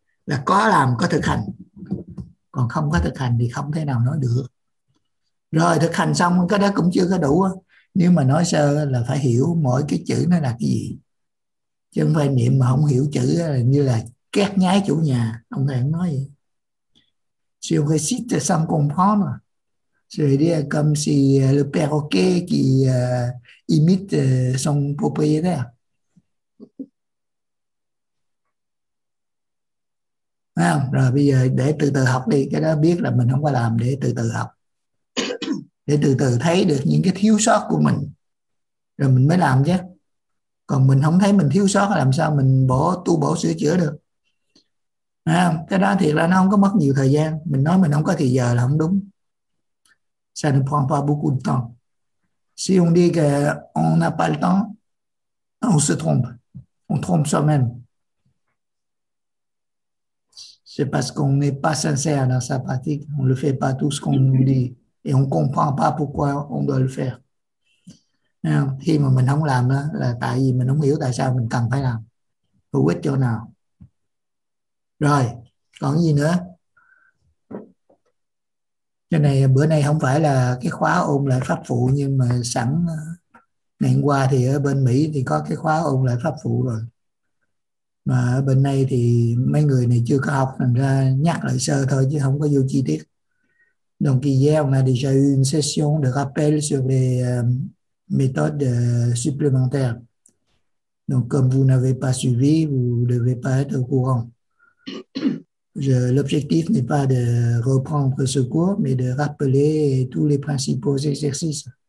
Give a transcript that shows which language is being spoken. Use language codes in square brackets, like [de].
[vi] Là có làm có thực hành. Còn không có thực hành thì không thể nào nói được. Rồi thực hành xong cái đó cũng chưa có đủ. Nếu mà nói sơ là phải hiểu mỗi cái chữ nó là cái gì. Chứ không phải niệm mà không hiểu chữ là như là két nhái chủ nhà. Ông thầy không nói gì. [fr] Si on récite sans comprendre, c'est-à-dire comme si le perroquet qui imite son propriétaire. [vi] À, rồi bây giờ để từ từ học đi, cái đó biết là mình không có làm, để từ từ học. Để từ từ thấy được những cái thiếu sót của mình, rồi mình mới làm chứ. Còn mình không thấy mình thiếu sót làm sao mình bổ tu bổ sửa chữa được. À, cái đó thì là nó không có mất nhiều thời gian. Mình nói mình không có thì giờ là không đúng. [fr] Ça ne prend pas beaucoup de temps. Si on dit qu'on n'a pas le temps, on se trompe. On trompe soi-même. C'est parce qu'on n'est pas sincère dans sa pratique. On ne le fait pas tout ce qu'on nous dit. Et on ne comprend pas pourquoi on doit le faire. [vi] À, khi mà mình không làm đó, là tại vì mình không hiểu tại sao mình cần phải làm. Hữu ích chỗ nào. Rồi, còn gì nữa? Cái này bữa nay không phải là cái khóa ôn lại pháp phụ, nhưng mà sẵn ngày hôm qua thì ở bên Mỹ thì có cái khóa ôn lại pháp phụ rồi. Mà ở bên này thì mấy người này chưa có học, thành ra nhắc lại sơ thôi chứ không có vô chi tiết. [fr] Donc hier on a déjà eu une session de rappel sur les méthodes supplémentaires. Donc comme vous n'avez pas suivi, vous ne devez pas être au courant. L'objectif n'est pas de reprendre ce cours, mais de rappeler tous les principaux exercices.